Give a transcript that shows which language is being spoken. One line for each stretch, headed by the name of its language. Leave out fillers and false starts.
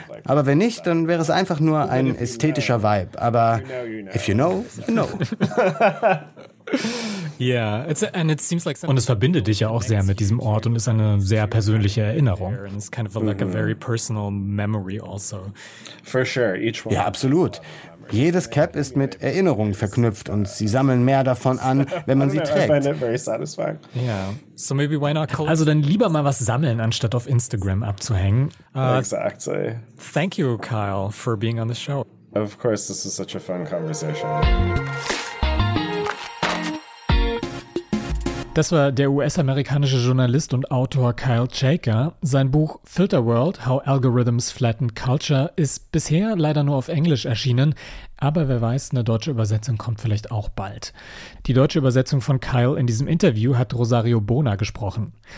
German: Aber wenn nicht, dann wäre es einfach nur ein ästhetischer Vibe.
English: Aber if you know, you know. Yeah, it's and it seems like
German: und es verbindet dich ja auch sehr mit diesem Ort und ist eine sehr persönliche Erinnerung.
English: It's kind of like a very personal memory also. For sure, each one.
German: Ja, absolut. Jedes Cap ist mit Erinnerungen verknüpft und sie sammeln mehr davon an, wenn man sie trägt.
English: Yeah. So maybe why not collect?
German: Also dann lieber mal was sammeln, anstatt auf Instagram abzuhängen.
English: Exactly. Thank you, Kyle, for being on the show. Of course, this is such a fun conversation.
German: Das war der US-amerikanische Journalist und Autor Kyle Chaker. Sein Buch Filter World, How Algorithms Flatten Culture ist bisher leider nur auf Englisch erschienen, aber wer weiß, eine deutsche Übersetzung kommt vielleicht auch bald. Die deutsche Übersetzung von Kyle in diesem Interview hat Rosario Bona gesprochen.